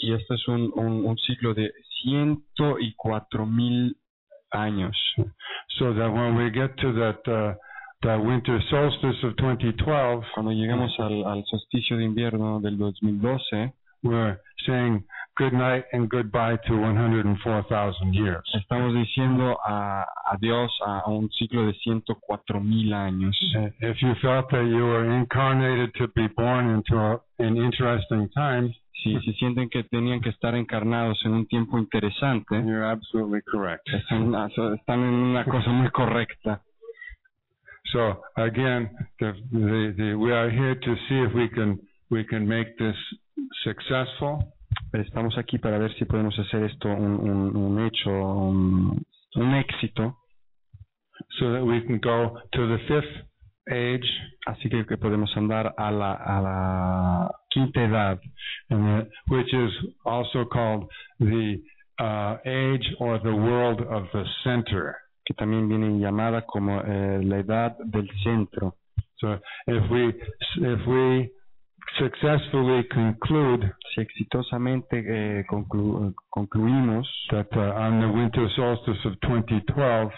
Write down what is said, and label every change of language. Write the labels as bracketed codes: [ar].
[es] Y este es un ciclo de 104,000 años. [en] So that when we get to that. The winter solstice of 2012. [es] Cuando llegamos al solsticio de invierno del 2012, [en] we're saying good night and goodbye to 104,000 years. [es] Estamos diciendo adiós a un ciclo de 104,000 años. [en] If you felt that you were incarnated to be born into an interesting time. [es] Si sienten que tenían que estar encarnados en un tiempo interesante. [en] You're absolutely correct. [es] Están en una cosa muy correcta. [en] So again, the we are here to see if we can make this successful. [es] Estamos aquí para ver si podemos hacer esto un hecho, un éxito. [en] So that we can go to the fifth age. [es] Así que podemos andar a la quinta edad, [en] which is also called the age or the world of the center. [es] Que también viene llamada como la edad del centro. [en] So if we successfully conclude, [es] si exitosamente concluimos [en] that on the winter solstice of 2012,